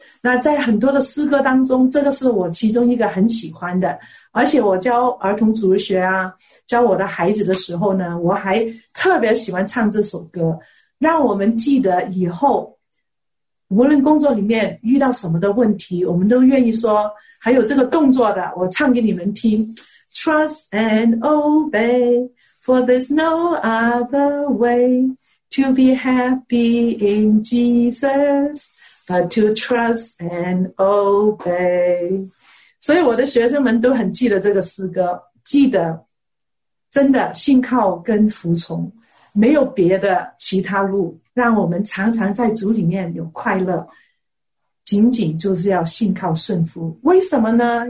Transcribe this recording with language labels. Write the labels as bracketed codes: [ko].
[zh] 那在很多的诗歌当中，这个是我其中一个很喜欢的，而且我教儿童主日学啊，教我的孩子的时候呢，我还特别喜欢唱这首歌，让我们记得以后无论工作里面遇到什么的问题，我们都愿意说，还有这个动作的，我唱给你们听。 [en] Trust and obey, For there's no other way to be happy in Jesus but to trust and obey. [zh] 所以我的学生们都很记得这个诗歌，记得真的信靠跟服从，没有别的其他路，让我们常常在主里面有快乐，仅仅就是要信靠顺服。为什么呢？